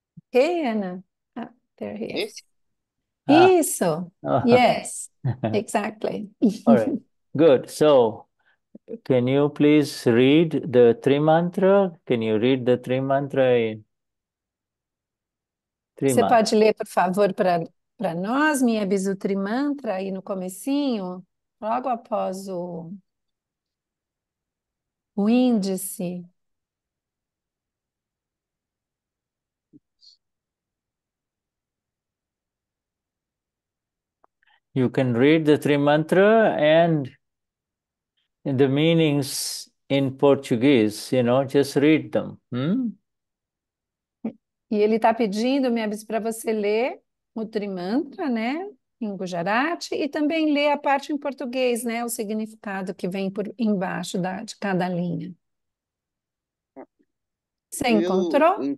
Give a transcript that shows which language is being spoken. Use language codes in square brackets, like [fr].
[en] Hey, Anna. Ah, there he is. Ah. He is so. Yes, exactly. All right, good. So, can you please read the three mantra? Can you read the three mantra in three [pt] Você pode ler, por favor, para nós, minha bisu trimantra, aí no comecinho, logo após o índice. [en] You can read the three mantra and the meanings in Portuguese, you know, just read them. [pt] E ele está pedindo, minha bispa, para você ler o trimantra, né, em Gujarati, e também ler a parte em português, né, o significado que vem por embaixo de cada linha. Você encontrou?